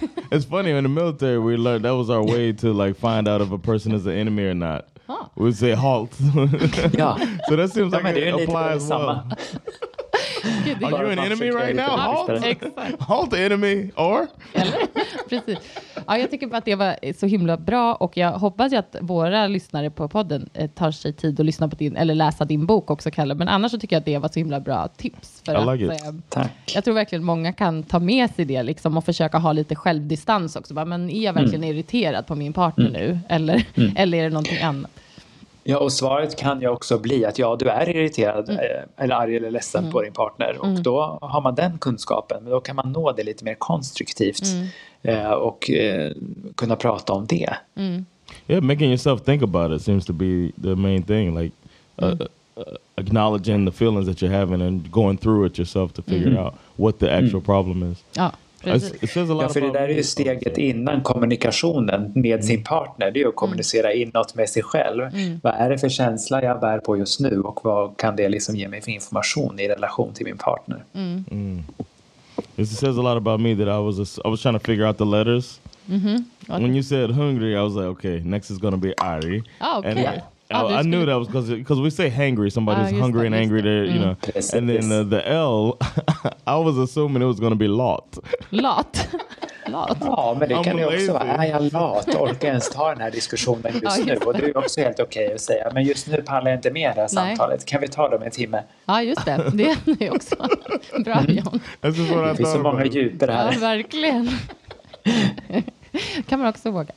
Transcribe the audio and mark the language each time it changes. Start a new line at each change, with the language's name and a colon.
English: It's funny, in the military we learned that was our way to like find out if a person is an enemy or not. We would say halt.
Swedish: Ja.
English: So that seems like it applies well. Are you an enemy right now? Halt enemy or?
Swedish: Precis. Ja, jag tycker att det var så himla bra och jag hoppas ju att våra lyssnare på podden tar sig tid att lyssna på din eller läsa din bok också, Kalle. Men annars så tycker jag att det var så himla bra tips. För
English: I like
Swedish: att,
English: it.
Swedish: Tack. Jag tror verkligen många kan ta med sig det liksom och försöka ha lite självdistans också. Men är jag verkligen irriterad på min partner nu? Eller, eller är det någonting annat? Ja, och svaret kan ju också bli att ja, du är irriterad eller arg eller ledsen på din partner. Och då har man den kunskapen. Men då kan man nå det lite mer konstruktivt och kunna prata om det.
English: Yeah, making yourself think about it seems to be the main thing. Like acknowledging the feelings that you're having and going through it yourself to figure out what the actual problem is.
Swedish: Ja. Ja, för det där är ju steget innan kommunikationen med sin partner, det är ju att kommunicera inåt med sig själv. Vad är det för känsla jag bär på just nu och vad kan det liksom ge mig för information i relation till min partner?
English: It says a lot about me that I was trying to figure out the letters. Okay. When you said hungry, I was like, okay, next is gonna be Ari. Oh, okay. And I knew that was because we say hangry, somebody's hungry and angry, there, you know. And then the L, I was assuming it was going to be lot. Lot? Lot.
Swedish: Ja, men det I'm kan ju också vara, är jag lat? Orkar ens ta den här diskussionen just, just nu? Och det är också helt okej att säga, men just nu pallar jag inte med det här samtalet. Kan vi ta dem en timme? Ja, just det. Det är ni också. Bra, John. Det finns så många djup det här. Ja, verkligen. Kan man också våga.